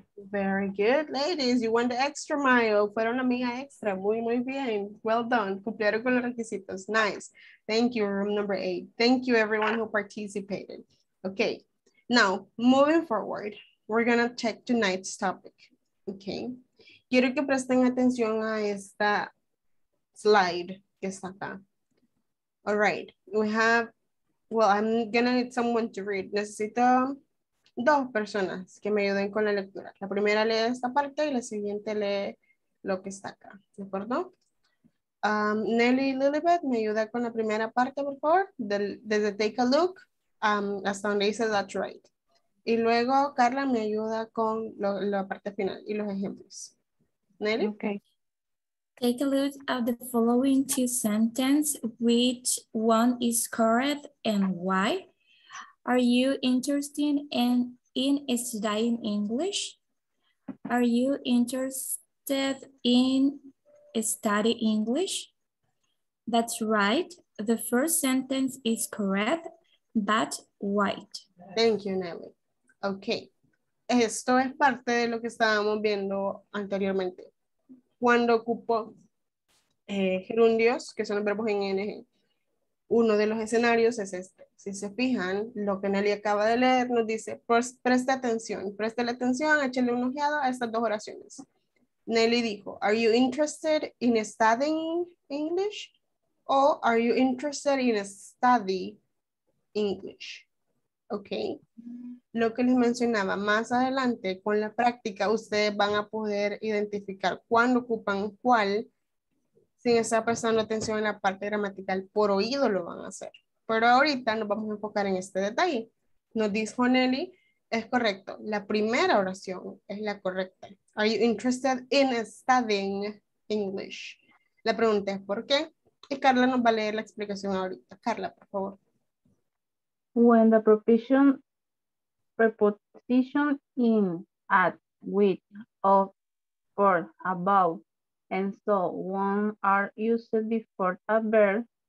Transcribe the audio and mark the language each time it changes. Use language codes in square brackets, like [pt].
[en] Very good, ladies. You went the extra mile. [es] Fueron a mía extra. Muy, muy bien. [en] Well done. [es] Cumplieron con los requisitos. Nice. [en] Thank you, room number 8. Thank you, everyone who participated. Okay. Now, moving forward, we're going to check tonight's topic. Okay. [es] Quiero que presten atención a esta slide que está acá. [en] All right. I'm going to need someone to read. [es] Necesito dos personas que me ayuden con la lectura. La primera lee esta parte y la siguiente lee lo que está acá. ¿De acuerdo? Nelly Lilibet, ¿me ayuda con la primera parte, por favor? Desde Take a Look hasta donde dice That's Right. Y luego Carla me ayuda con la parte final y los ejemplos. Nelly. [en] Okay. Take a look at the following two sentences, which one is correct and why. Are you interested in studying English? Are you interested in studying English? That's right. The first sentence is correct, but white. Thank you, Nelly. Okay. [es] Esto es parte de lo que estábamos viendo anteriormente. Cuando ocupo gerundios, que son los verbos en ing, uno de los escenarios es este. Si se fijan, lo que Nelly acaba de leer nos dice, preste atención, échale un ojeado a estas dos oraciones. [en] Nelly dijo, are you interested in studying English? O are you interested in study English? Ok. [es] Lo que les mencionaba, más adelante, con la práctica, ustedes van a poder identificar cuándo ocupan cuál, sin estar prestando atención en la parte gramatical, por oído lo van a hacer. Pero ahorita nos vamos a enfocar en este detalle. Nos dijo Nelly, es correcto. La primera oración es la correcta. [en] Are you interested in studying English? [es] La pregunta es ¿por qué? Y Carla nos va a leer la explicación ahorita. Carla, por favor. [en] When the preposition in, at, with, of, for, about, and so on are used before a verb,